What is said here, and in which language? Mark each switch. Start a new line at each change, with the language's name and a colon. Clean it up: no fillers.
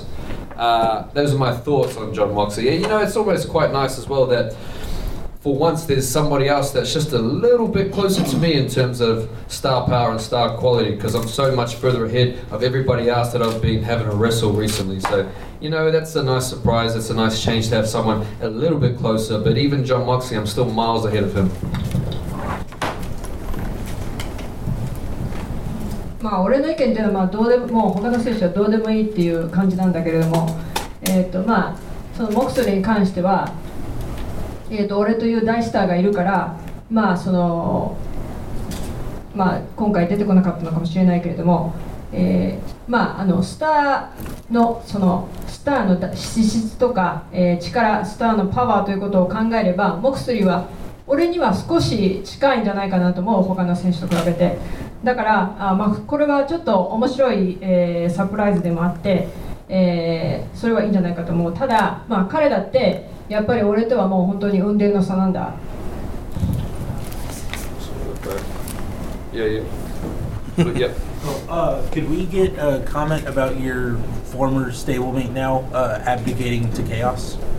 English: Those are my thoughts on John Moxley. You know, it's almost quite nice as well that for once there's somebody else that's just a little bit closer to me in terms of star power and star quality, because I'm so much further ahead of everybody else that I've been having a wrestle recently. So. You know, that's a nice surprise. It's a nice change to have someone a little bit closer. But even John Moxley, I'm still miles ahead of him.
Japanese: まあ、俺の意見というのはどうでも、他の選手はどうでもいいっていう感じなんだけれども、まあ、そのモクスリーに関しては、俺という大スターがいるから、まあその、まあ今回出てこなかったのかもしれないけれども、まあ、あのスターのそのスターの資質とか、力、スターのパワーということを考えれば、モクスリーは俺には少し近いんじゃないかなと思う、他の選手と比べて。だから、まあ、これはちょっと面白い、サプライズでもあって、それはいいんじゃないかと思う。ただ、まあ、彼だってやっぱり俺とはもう本当に雲泥の差なんだ。
English: Could we get a comment about your former stablemate now abdicating to Chaos?